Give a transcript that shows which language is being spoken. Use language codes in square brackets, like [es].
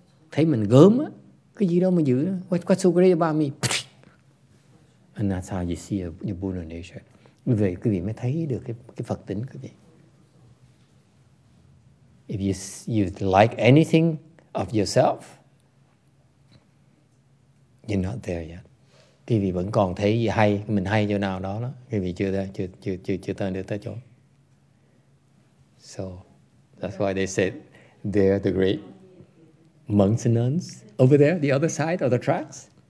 [vi] Thấy mình gớm, cái gì đâu mà giữ? [en] What's so great about me? And that's how you see your Buddha nature. [vi] Vì vậy quý vị mới thấy được cái Phật tính quý vị. [en] If you like anything of yourself, you're not there yet. [vi] Quý vị vẫn còn thấy hay, mình hay chỗ nào đó đó. Quý vị chưa tới được tới chỗ. [en] So, that's why they said they're the great monks and nuns. Over there, the other side of the tracks.